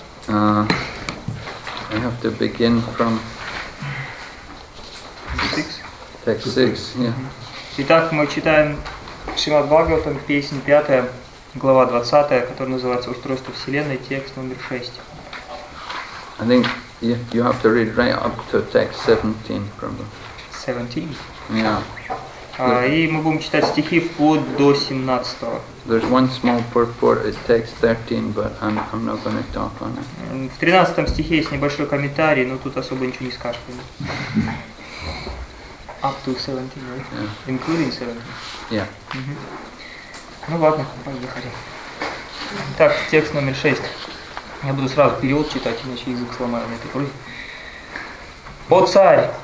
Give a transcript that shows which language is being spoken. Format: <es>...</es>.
<en>I have to begin from Text 6.</en> <ru>Итак, мы читаем Шримад Бхагаватам, песнь 5. Глава 20, которая называется «Устройство Вселенной», текст номер 6.</ru> <en>I think you have to read right up to text 17, probably. 17? Yeah.</en> <ru>И мы будем читать стихи вплоть до 17.</ru> <en>There's one small purport, it takes 13, but I'm not going to talk on it.</en> <ru>В 13 стихе есть небольшой комментарий, но тут особо ничего не скажешь.</ru> <en>Up to 17, right? Yeah. Including 17? Yeah.</en> <ru>Mm-hmm. Ну ладно, поехали. Так, текст номер 6. Я буду сразу перевод читать, иначе язык сломаю на этой просьбе. «О царь!</ru>